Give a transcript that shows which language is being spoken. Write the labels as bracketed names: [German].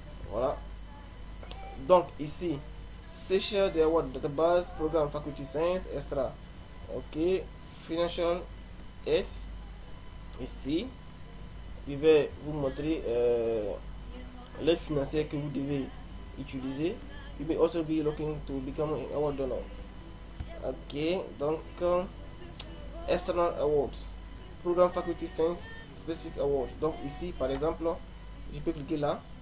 [French] Voilà. Donc, ici, Search the Award Database, Programme Faculty Science, Extra. Ok. [English] Financial Aid. [French] Ici, je vais vous montrer l'aide financière que vous devez utiliser. [English] You may also be looking to become an award donor. Ok. [French] Donc, External Awards, Programme Faculty Science Specific Awards. Donc ici, par exemple, je peux cliquer là.